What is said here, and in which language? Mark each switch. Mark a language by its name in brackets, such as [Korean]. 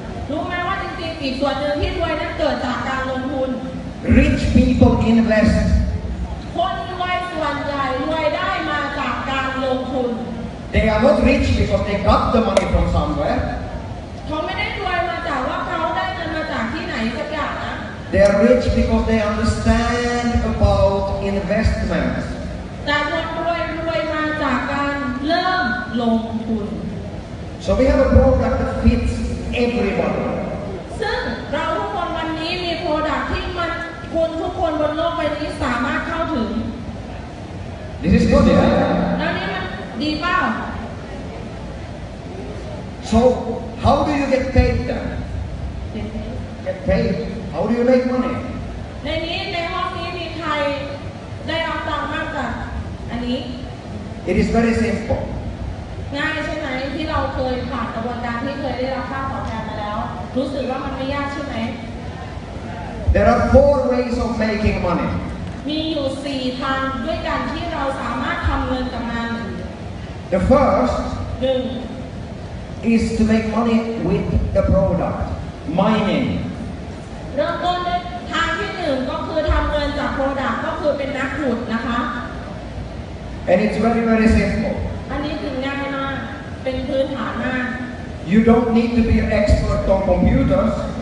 [Thai] รู้ไหมว่าจริงๆอีกส่วนหนึ่งที่รวยนั้นเกิดจากการลงทุน [English] Rich people invest. [Thai] คนรวยส่วนใหญ่รวยได้มาจากการลงทุน [English] They are not rich because they got the money from somewhere. [Thai] เขาไม่ได้รวยมาจากว่าเขาได้เงินมาจากที่ไหนสักอย่างนะ [English] They are rich because they understand about investment. [Thai] แต่คนรวยรวยมาจากการเริ่มลงทุน [English] So we have a product that fits everybody. [Thai] ซึ่งเราทุกคนวันนี้มีโปรดักที่มันคนทุกคนบนโลกใบนี้สามารถเข้าถึง [English] This is good, yeah? [Thai] แล้วนี่มันดีเปล่า [English] So, how do you get paid then? Get paid. How do you make money? [Thai] ในนี้ในห้องนี้มีใครได้รับตังค์บ้างจ้ะอันนี้ [English] It is very simple. [Thai] ง่ายใช่ไหมที่เราเคยผ่านกระบวนการที่เคยได้รับค่าตอบแทนมาแล้วรู้สึกว่ามันไม่ยากใช่ไหม [English] There are four ways of making money. [Thai] มีอยู่4ทางด้วยกันที่เราสามารถทำเงินกับมัน [English] The first 1 is to make money with the product mining. [Thai] เริ่มต้นทางที่1ก็คือทำเงินจาก product ก็คือเป็นนักขุดนะคะ [English] And it's very very simple. [Thai] อันนี้ถึงง่ายมากเป็นพื้นฐานมาก [English] You don't need to be an expert on computers.